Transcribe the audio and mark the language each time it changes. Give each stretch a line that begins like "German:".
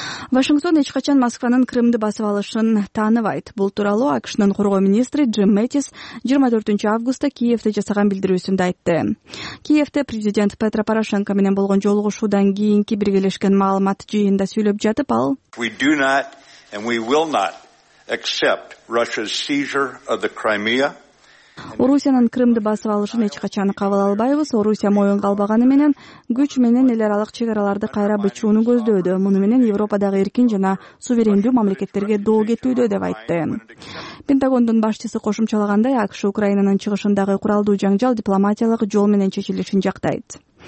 Kyrgyz: Вашингтон эч качан Москванын Крымды басып алышын тааныбайт. Бул тууралуу АКШнын коргоо министри Джим Мэттис 24 августта Киевде жасаган билдирүүсүндө айтты. Киевде президент Петро Порошенко менен болгон жолугушуудан кийинки биргелешкен маалымат жыйынында сүйлөп жатып, ал
English: We do not and we will not accept Russia's seizure of the Crimea.
Kyrgyz: Орусиянын Крымды басып алышын эч качан кабыл албайбыз. Орусия моюнга албаганы менен күч менен эл аралык чек араларды кайра бычууну көздөдү. Муну менен Европадагы эркин жана суверендүү мамлекеттерге доо кетүүдө, деп айтты. Пентагондун башчысы кошумчалагандай, АКШ Украинанын чыгышындагы куралдуу жаңжал дипломатиялык жол менен чечилишин жактайт.